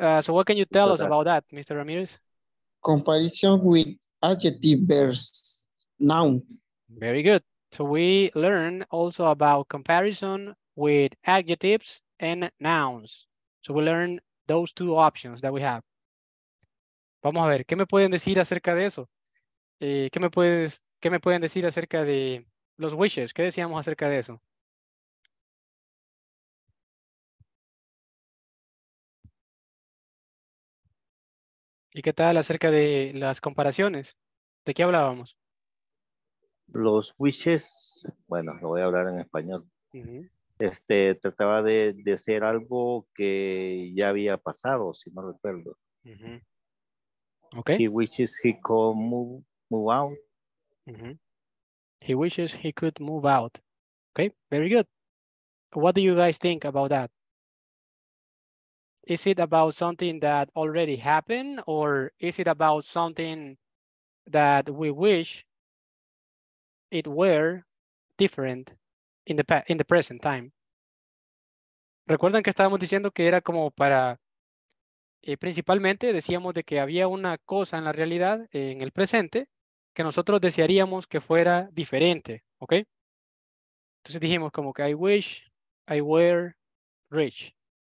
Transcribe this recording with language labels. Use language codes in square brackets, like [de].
[en] So what can you tell us about that, Mr. Ramirez? Comparison with adjective verbs, noun. Very good. So we learn also about comparison with adjectives and nouns. So we learn those two options that we have. [es] Vamos a ver, ¿qué me pueden decir acerca de eso? ¿Qué me pueden decir acerca de los wishes? ¿Qué decíamos acerca de eso? ¿Y qué tal acerca de las comparaciones? ¿De qué hablábamos? Los wishes, bueno, lo voy a hablar en español. Uh-huh. Trataba de hacer algo que ya había pasado, si no recuerdo. Uh-huh. Okay. [en] He wishes he could move out. Uh-huh. He wishes he could move out. Okay, very good. What do you guys think about that? Is it about something that already happened, or is it about something that we wish it were different in the present time? [es] ¿Recuerdan que estábamos diciendo que era como para, principalmente decíamos de que había una cosa en la realidad, en el presente, que nosotros desearíamos que fuera diferente, ¿ok? Entonces dijimos como que [en] I wish I were rich.